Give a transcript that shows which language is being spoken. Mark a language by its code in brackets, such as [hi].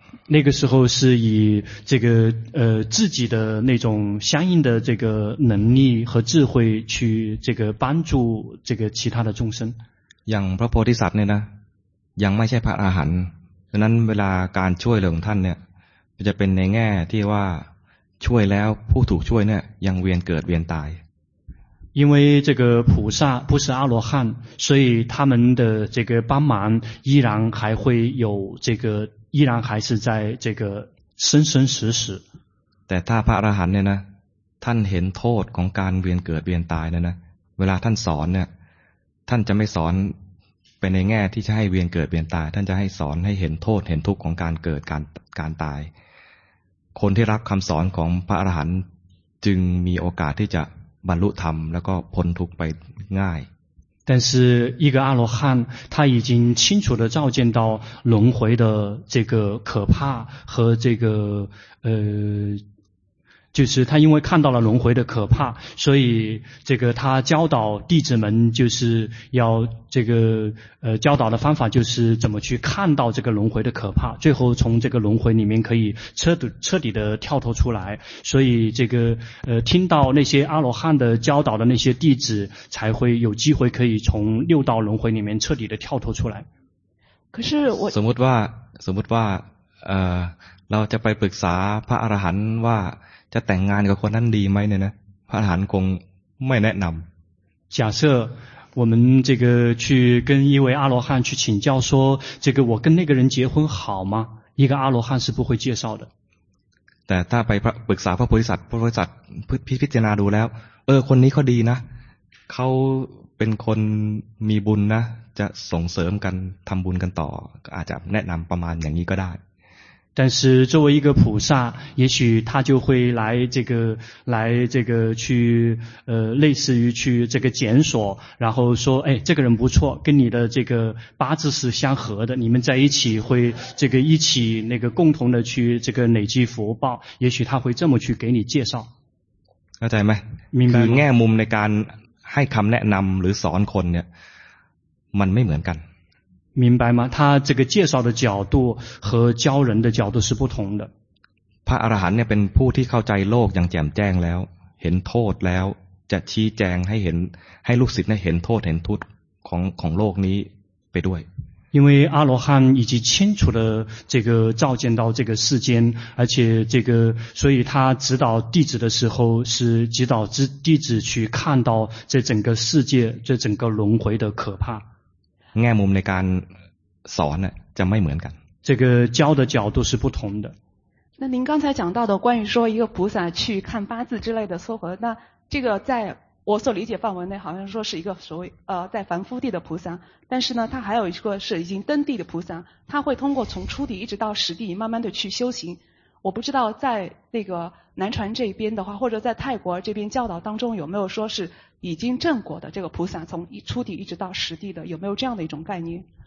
[zh] 那个时候是以这个自己的那种相应的这个能力和智慧去这个帮助这个其他的众生。 [th] อย่างพระโพธิสัตว์เนี่ยนะยังไม่ใช่พระอาหารฉะนั้นเวลาการช่วยเหลือท่านเนี่ยจะเป็นในแง่ที่ว่าช่วยแล้วผู้ถูกช่วยเนี่ยยังเวียนเกิดเวียนตาย [zh] 因为这个菩萨不是阿罗汉，所以他们的这个帮忙依然还会有这个，依然还是在这个生生死死。 [th] แต่ถ้าพระอรหันต์เนี่ยนะท่านเห็นโทษของการเวียนเกิดเวียนตายเนี่ยนะเวลาท่านสอนเนี่ยท่านจะไม่สอนไปในแง่ที่จะให้เวียนเกิดเวียนตายท่านจะให้สอนให้เห็นโทษเห็นทุกข์ของการเกิดการตายคนที่รับคำสอนของพระอรหันต์จึงมีโอกาสที่จะบรรลุธรรมแล้วก็พ้นทุกข์ไปง่าย [zh] 但是一个阿罗汉他已经清楚地照见到轮回的这个可怕和这个就是他因为看到了轮回的可怕所以这个他教导弟子们就是要这个教导的方法就是怎么去看到这个轮回的可怕最后从这个轮回里面可以彻底的跳脱出来所以这个听到那些阿罗汉的教导的那些弟子才会有机会可以从六道轮回里面彻底的跳脱出来可是我 [th] สมมติว่าเราจะไปปรึกษาพระอรหันต์ว่าจะแต่งงานกับคนนั้นดีไหมเนี่ยนะพระอรหันต์คงไม่แนะนำ [zh] 假设我们这个去跟一位阿罗汉去请教说这个我跟那个人结婚好吗一个阿罗汉是不会介绍的 [th] แต่ถ้าไปปรึกษาพระโพธิสัตว์พิจารณาดูแล้วคนนี้เขาดีนะเขาเป็นคนมีบุญนะจะส่งเสริมกันทำบุญกันต่ออาจจะแนะนำประมาณอย่างนี้ก็ได้ [zh] 但是作为一个菩萨也许他就会来这个去类似于去这个检索然后说哎这个人不错跟你的这个八字是相合的你们在一起会这个一起那个共同的去这个累积福报也许他会这么去给你介绍。了解吗明白 [th] 吗。คือแง่มุมในการให้คำแนะนำหรือสอนคนเนี่ยมันไม่เหมือนกัน。 [zh] 明白吗他这个介绍的角度和教人的角度是不同的。 [th] พระอรหันต์เนี่ยเป็นผู้ที่เข้าใจโลกอย่างแจ่มแจ้งแล้วเห็นโทษแล้วจะชี้แจงให้เห็นให้ลูกศิษย์เนี่ยเห็นโทษเห็นทุกข์ของโลกนี้ไปด้วย。 [zh] 因为阿罗汉已经清楚的这个照见到这个世间而且这个所以他指导弟子的时候是指导弟子去看到这整个世界这整个轮回的可怕。 [th] แง่มุมในการสอนน่ะจะไม่เหมือนกัน [zh] 这个教的角度是不同的那您刚才讲到的关于说一个菩萨去看八字之类的撮合那这个在我所理解范围内好像说是一个所谓在凡夫地的菩萨但是呢他还有一个是已经登地的菩萨他会通过从初地一直到实地慢慢的去修行我不知道在那个南传这边的话或者在泰国这边教导当中有没有说是已经证果的这个菩萨从初地一直到实地的有没有这样的一种概念